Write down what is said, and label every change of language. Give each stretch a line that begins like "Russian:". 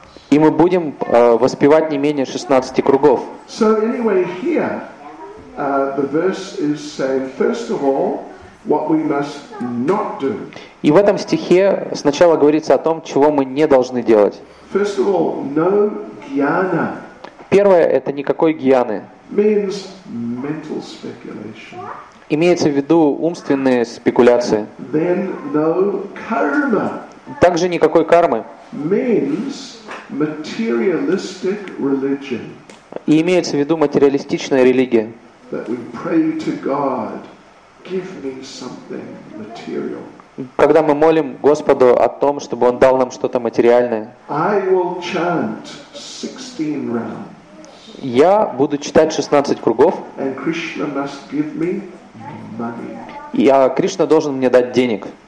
Russian: И мы будем воспевать не менее 16 кругов.
English: So anyway, here, the verse is saying, first of all, what we must not do.
Russian: И в этом стихе сначала говорится о том, чего мы не должны делать.
English: First of all, no jnana.
Russian: Первое – это никакой гьяны.
English: Means mental speculation.
Russian: Имеется в виду умственные спекуляции.
English: Then no karma.
Russian: Также никакой кармы.
English: Means materialistic religion.
Russian: И имеется в виду материалистичная религия.
English: That we pray to God, give me something material.
Russian: Когда мы молим Господу о том, чтобы Он дал нам что-то материальное.
English: I will chant 16 rounds.
Russian: Я буду читать 16 кругов.
English: And Krishna must give me money.
Russian: И Кришна должен мне дать денег.